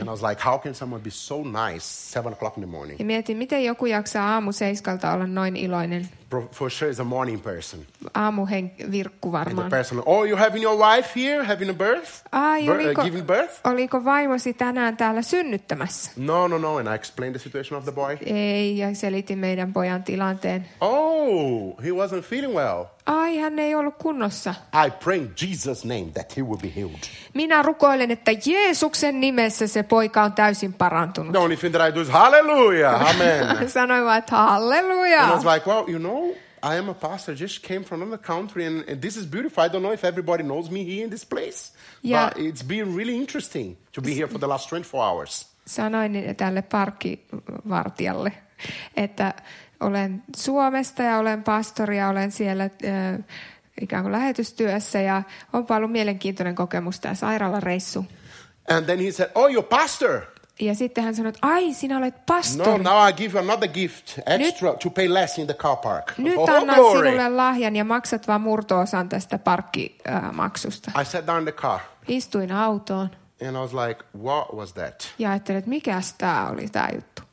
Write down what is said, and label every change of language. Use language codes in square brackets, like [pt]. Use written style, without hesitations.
[en] And I was like, "How can someone be so nice 7 o'clock in the morning?" [fi] Ja mietin, miten joku jaksaa aamu 7:00 olla noin iloinen. [en] For sure, is a morning person. [fi] Aamuvirkku varmaan. [en] And the person, oh, you having your wife here, having a birth? Giving birth? [fi] Oliko vaimosi tänään täällä synnyttämässä? [en] No. And I explained the situation of the boy. [fi] Ei, ja selitin meidän pojan tilanteen. [en] Oh, he wasn't feeling well. [fi] Ai, hän ei ollut kunnossa. [en] I pray in Jesus' name that he will be healed. [fi] Minä rukoilen, että Jeesuksen nimessä se poika on täysin parantunut. [en] The only thing that I do is hallelujah, amen. [fi] Sanoin vaan, että hallelujah. [en] And I was like, well, you know, I am a pastor, just came from another country, and this is beautiful. I don't know if everybody knows me here in this place, [fi] ja, [en] but it's been really interesting to be here for the last 24 hours. [fi] Sanoin tälle parkkivartijalle, että olen Suomesta ja olen pastori ja olen siellä ikään kuin lähetystyössä ja onpa ollut mielenkiintoinen kokemus tämä sairaalareissu. [en] And then he said, oh, you're pastor. [fi] Ja sitten hän sanoi, ai, sinä olet pastori. [en] No, now I give you another gift, extra, to pay less in the car park. [fi] Nyt annan sinulle lahjan ja maksat vaan murto-osan tästä parkkimaksusta. [en] I sat down in the car. [fi] Istuin autoon. [en] And I was like, what was that? [fi] Ja ajattelin, että mikäs tämä oli tämä juttu.